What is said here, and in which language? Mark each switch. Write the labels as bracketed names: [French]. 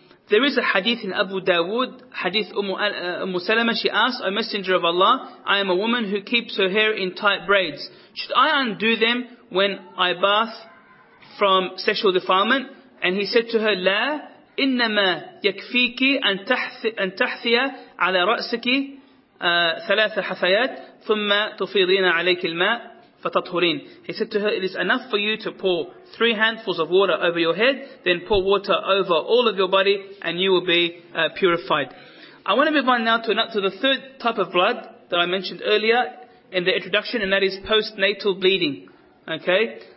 [English] There is a hadith in Abu Dawood, hadith Umm Salama, she asks, O Messenger of Allah, I am a woman who keeps her hair in tight braids. Should I undo them when I bath from sexual defilement? And he said to her, [Arabic] لا إنما يكفيك أن تحثي على رأسك ثلاث حثيات ثم تفيضين عليك الماء فتطهرين. [English] He said to her, it is enough for you to pour three handfuls of water over your head, then pour water over all of your body and you will be purified. I want to move on now to the third type of blood that I mentioned earlier in the introduction, and that is postnatal bleeding. Okay?